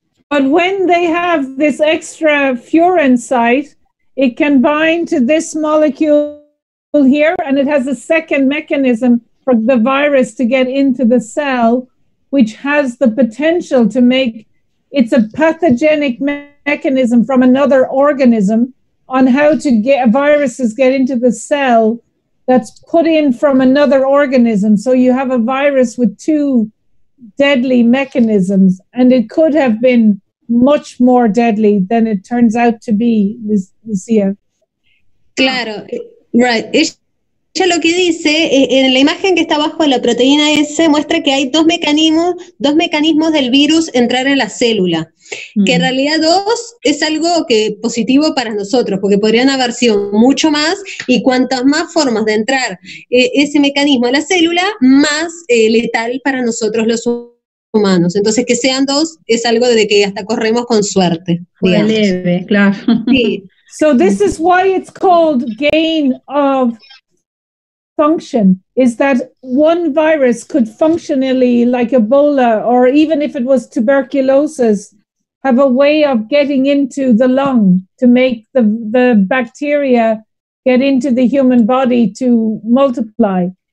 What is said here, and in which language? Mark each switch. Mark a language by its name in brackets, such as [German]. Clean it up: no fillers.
[English] But when they have this extra furin site, it can bind to this molecule here, and it has a second mechanism for the virus to get into the cell, which has the potential to make, it's a pathogenic mechanism from another organism on how to get viruses get into the cell that's put in from another organism. So you have a virus with two deadly mechanisms, and it could have been much more deadly than it turns out to be, Lucia. [Spanish] Claro, right. Ella lo que dice, en la imagen que está abajo de la proteína S, muestra que hay dos mecanismos del virus entrar en la célula. Que en realidad dos es algo que positivo para nosotros, porque podrían haber sido mucho más, y cuantas más formas de entrar ese mecanismo a la célula, más letal para nosotros los humanos. Entonces que sean dos es algo de que hasta corremos con suerte. Muy leve, claro. Sí. [English] So this is why it's called gain of function, is that one virus could functionally, like Ebola, or even if it was tuberculosis, have a way of getting into the lung to make the bacteria get into the human body to multiply.